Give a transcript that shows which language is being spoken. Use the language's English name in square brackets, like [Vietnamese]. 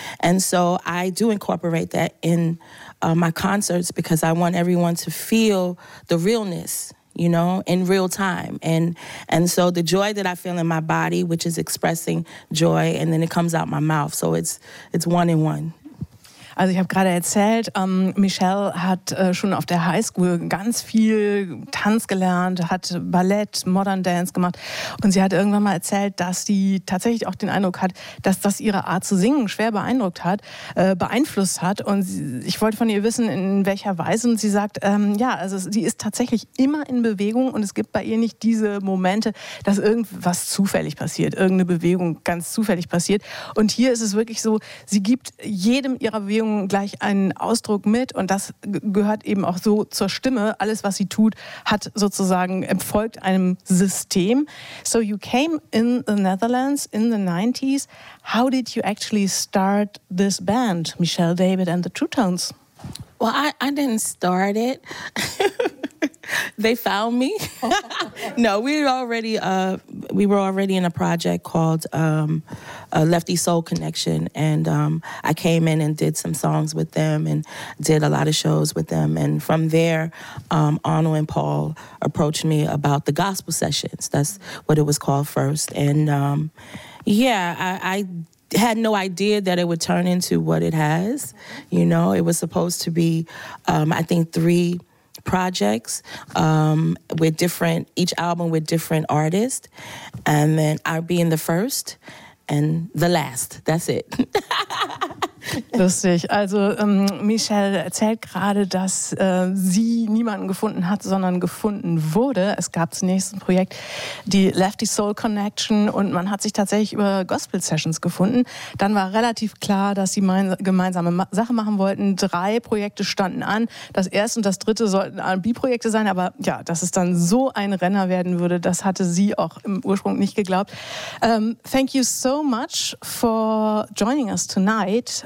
[English] And so I do incorporate that in my concerts because I want everyone to feel the realness, you know, in real time. And so the joy that I feel in my body, which is expressing joy, and then it comes out my mouth. So it's one in one. [German] Also ich habe gerade erzählt, Michelle hat schon auf der Highschool ganz viel Tanz gelernt, hat Ballett, Modern Dance gemacht. Und sie hat irgendwann mal erzählt, dass sie tatsächlich auch den Eindruck hat, dass das ihre Art zu singen schwer beeinflusst hat. Und ich wollte von ihr wissen, in welcher Weise. Und sie sagt, also sie ist tatsächlich immer in Bewegung und es gibt bei ihr nicht diese Momente, dass irgendwas zufällig passiert, irgendeine Bewegung ganz zufällig passiert. Und hier ist es wirklich so, sie gibt jedem ihrer Bewegung gleich einen Ausdruck mit und das gehört eben auch so zur Stimme. Alles, was sie tut, hat sozusagen folgt einem System. [English] So you came in the Netherlands in the 90s. How did you actually start this band, Michelle David and the Two Tones? Well, I didn't start it. They found me. No, we were already in a project called Lefty Soul Connection, and I came in and did some songs with them and did a lot of shows with them. And from there, Arno and Paul approached me about the gospel sessions. That's what it was called first. And I had no idea that it would turn into what it has. You know, it was supposed to be, I think, three projects with different, each album with different artists, and then I'd be in the first and the last. That's it. [German] Lustig. Also Michelle erzählt gerade, dass sie niemanden gefunden hat, sondern gefunden wurde. Es gab zunächst ein Projekt, die Lefty Soul Connection, und man hat sich tatsächlich über Gospel Sessions gefunden. Dann war relativ klar, dass sie gemeinsame Sache machen wollten. Drei Projekte standen an. Das erste und das dritte sollten R&B-Projekte sein, aber ja, dass es dann so ein Renner werden würde, das hatte sie auch im Ursprung nicht geglaubt. [English] Thank you so much for joining us tonight.